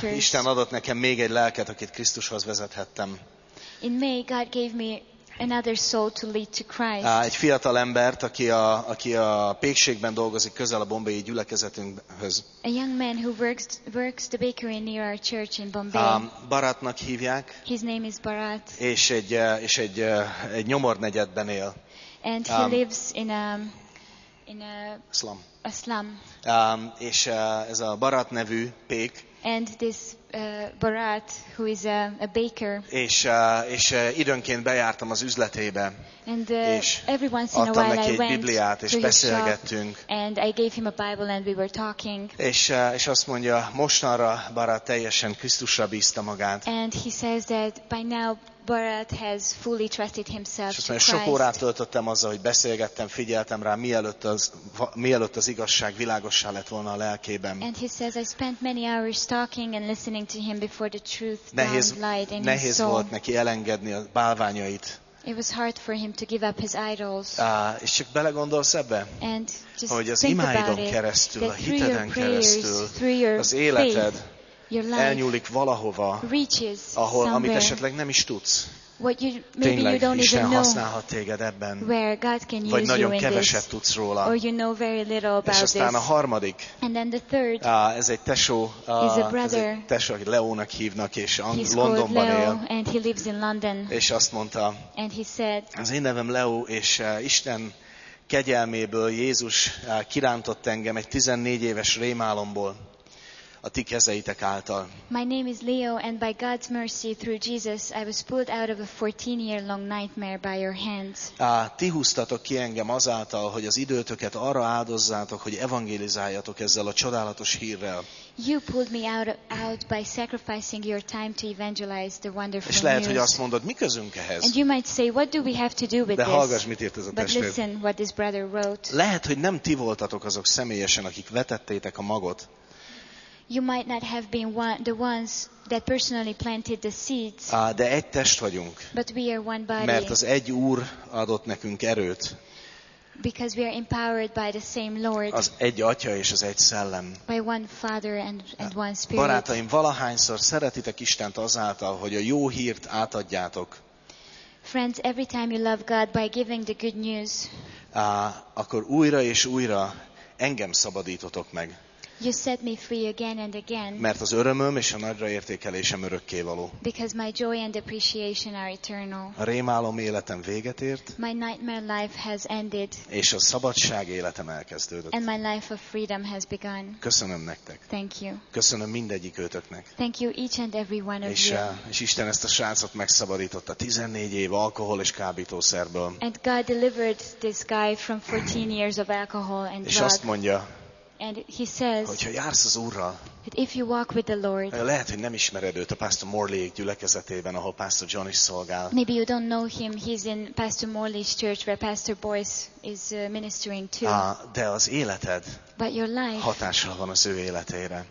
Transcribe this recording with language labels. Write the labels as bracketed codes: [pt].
[hu] Májusban Isten adott nekem még egy lelket, akit Krisztushoz vezethettem. [en] In May, God gave me another soul to lead to Christ. [hu] Egy fiatal embert, aki a pékségben dolgozik közel a bombai gyülekezetünkhöz. [en] A young man who works the bakery near our church in Bombay. [hu] Baratnak hívják. [en] His name is Barat. [hu] És egy nyomornegyedben él. [en] And he lives in a slum. A slum. [hu] És ez a Barat nevű pék. [en] And this Barat, who is a baker. [hu] És időnként bejártam az üzletébe. [en] And every once in a while I went [hu] Bibliát, és beszélgettünk. [en] And I gave him a Bible and we were talking. [hu] És azt mondja, mostanra Barat teljesen Krisztusra bízta magát. [en] And he says that by now Barat has fully trusted himself to Christ. [hu] Sok órát töltöttem azzal, hogy beszélgettem, figyeltem rá, mielőtt az igazság világossá lett volna a lelkében. [en] And he says I spent many hours talking and listening to him before the truth dawned light in his soul. [hu] Nehéz volt neki elengedni a bálványait. [en] It was hard for him to give up his idols. [hu] És csak belegondolsz ebbe, hogy az imáidon keresztül, a hiteden keresztül, az életed elnyúlik valahova, ahol amit esetleg nem is tudsz. Tényleg, Isten használhat téged ebben, vagy nagyon keveset tudsz róla. És aztán a harmadik, ez egy tesó, akit Leónak hívnak, és Londonban él. És azt mondta, az én nevem Leó, és Isten kegyelméből Jézus kirántott engem egy 14 éves rémálomból. A ti kezeitek által. [en] My name is Leo and by God's mercy through Jesus I was pulled out of a 14 year long nightmare by your hands. [hu] Ti húztatok ki engem azáltal, hogy az időtöket arra áldozzátok, hogy evangelizáljatok ezzel a csodálatos hírrel. [en] You pulled me out by sacrificing your time to evangelize the wonderful news. [hu] És lehet, [en] news. [hu] Hogy azt mondod, mi közünk ehhez? [en] And you might say, what do we have to do with [hu] this? De hallgass, mit írt ez a testvér. [en] But listen what this brother wrote. [hu] Lehet, hogy nem ti voltatok azok személyesen, akik vetettétek a magot. [en] You might not have been the ones that personally planted the seeds. [hu] De egy test vagyunk. [en] But we are one body. [hu] Mert az egy Úr adott nekünk erőt. [en] Because we are empowered by the same Lord. [hu] Az egy Atya és az egy Szellem. [en] By one Father and one Spirit. [hu] Barátaim, valahányszor szeretitek Istent azáltal, hogy a jó hírt átadjátok. [en] Friends, every time you love God by giving the good news. [hu] Akkor újra és újra engem szabadítotok meg. [en] You set me free again and again. [hu] Mert az örömöm és a nagyra értékelésem örökkévaló. [en] Because my joy and appreciation are eternal. [hu] A rémálom életem véget ért. [en] My nightmare life has ended. [hu] És a szabadság életem elkezdődött. [en] And my life of freedom has begun. [hu] Köszönöm nektek. [en] Thank you. [hu] Köszönöm mindegyik őtöknek. [en] Thank you each and every one of you. [hu] És Isten ezt a srácot megszabadította 14 év alkohol és kábítószerből. [en] And God delivered this guy from 14 years of alcohol and drugs. [hu] És azt mondja. [en] And he says, [hu] hogyha jársz az Úrral, [en] if you walk with the Lord, [hu] lehet, hogy nem ismered őt a Pastor Morley gyülekezetében, ahol Pastor John is szolgál. [en] Maybe you don't know him. He's in Pastor Morley's church where Pastor Boyce is ministering too. [hu] De az életed [en] but your life [hu] hatással van az ő életére.